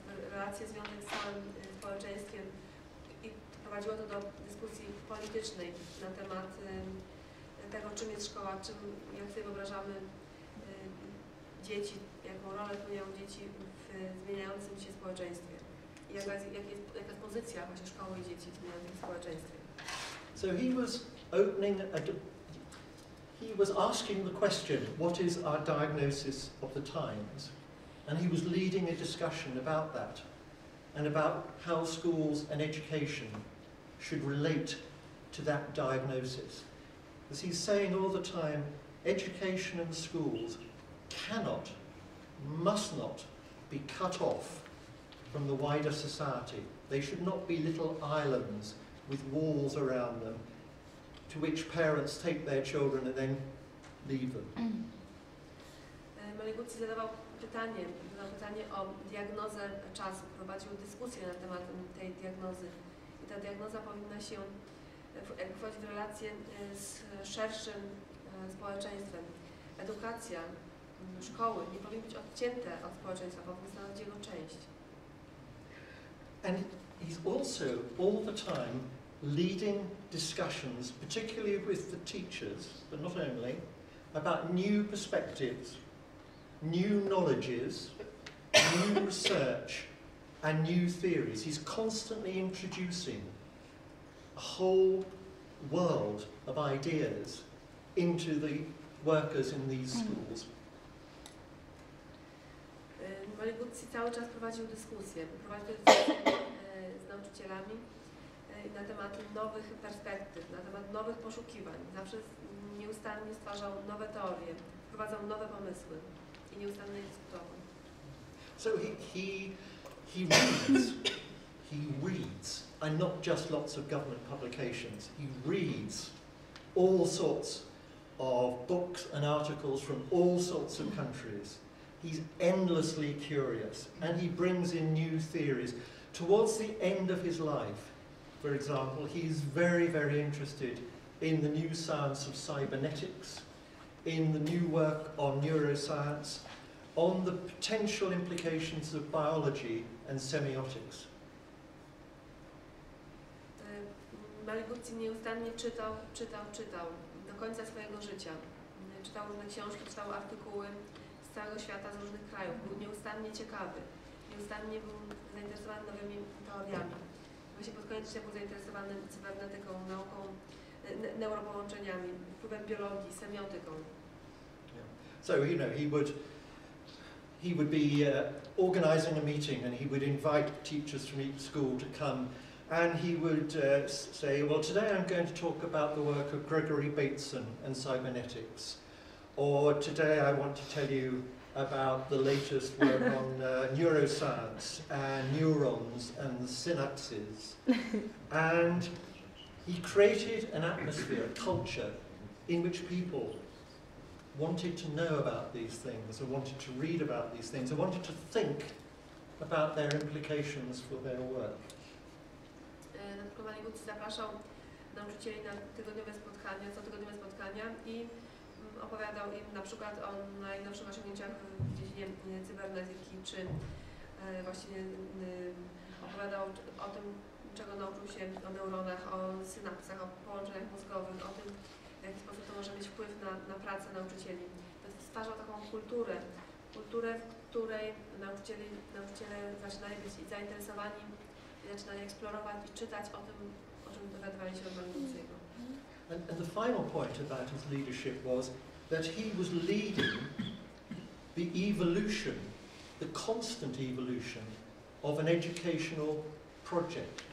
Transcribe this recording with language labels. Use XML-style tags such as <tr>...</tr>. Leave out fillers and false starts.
<pl>w relacje związane z całym społeczeństwem i prowadziło to do dyskusji politycznej na temat tego, czym jest szkoła, czym, jak sobie wyobrażamy dzieci, jaką rolę pełnią dzieci w zmieniającym się społeczeństwie. Jaka jest pozycja właśnie szkoły i dzieci w zmieniającym się społeczeństwie.</pl> <en>So he was opening a He was asking the question, what is our diagnosis of the times? And he was leading a discussion about that and about how schools and education should relate to that diagnosis. as he's saying all the time, education in schools cannot, must not be cut off from the wider society. They should not be little islands with walls around them to which parents take their children and then leave them.</en> <pl>Maliguzzi zadał pytanie o diagnozę czasu, prowadził dyskusję na temat tej diagnozy. I ta diagnoza powinna się wchodzić w relacje z szerszym społeczeństwem. Edukacja, szkoły nie powinny być odcięte od społeczeństwa, powinny stanowić jego część.</pl> <en>And he's also all the time leading discussions, particularly with the teachers, but not only, about new perspectives, new knowledges, new research, and new theories. He's constantly introducing a whole world of ideas into the workers in these schools.</en> <pl>Maliguzzi cały czas prowadził dyskusję, prowadził dyskusję z nauczycielami na temat nowych perspektyw, na temat nowych poszukiwań. Zawsze nieustannie stwarzał nowe teorie, wprowadzał nowe pomysły i nieustannie dyskutował.</pl> <en>So he reads, he reads, and not just lots of government publications, he reads all sorts of books and articles from all sorts of countries. He's endlessly curious, and he brings in new theories. Towards the end of his life, for example, he's very, very interested in the new science of cybernetics, in the new work on neuroscience, on the potential implications of biology and semiotics.</en> <pl>Maliguzzi nieustannie czytał do końca swojego życia. Czytał różne książki, czytał artykuły z całego świata, z różnych krajów. Był nieustannie ciekawy, nieustannie był zainteresowany nowymi teoriami. Właśnie pod koniec życia był zainteresowany cybernetyką, nauką, neuropołączeniami, wpływem biologii, semiotyką.</pl> <en>Yeah. So, you know, he would be organizing a meeting and he would invite teachers from each school to come. And he would say, well, today I'm going to talk about the work of Gregory Bateson and cybernetics. Or today I want to tell you about the latest work on neuroscience and neurons and synapses. And he created an atmosphere, a culture, in which people wanted to know about these things and wanted to read about these things and wanted to think about their implications for their work.</en> <pl>Maliguzzi zapraszał nauczycieli na tygodniowe spotkania, cotygodniowe spotkania i opowiadał im na przykład o najnowszych osiągnięciach w dziedzinie cybernetyki, czy właśnie opowiadał o tym, czego nauczył się o neuronach, o synapsach, o połączeniach mózgowych, o tym, w jaki sposób to może mieć wpływ na pracę nauczycieli. To stwarzał taką kulturę, w której nauczyciele zaczynali być zainteresowani</pl> <en>And the final point about his leadership was that he was leading the evolution, the constant evolution of an educational project.</en>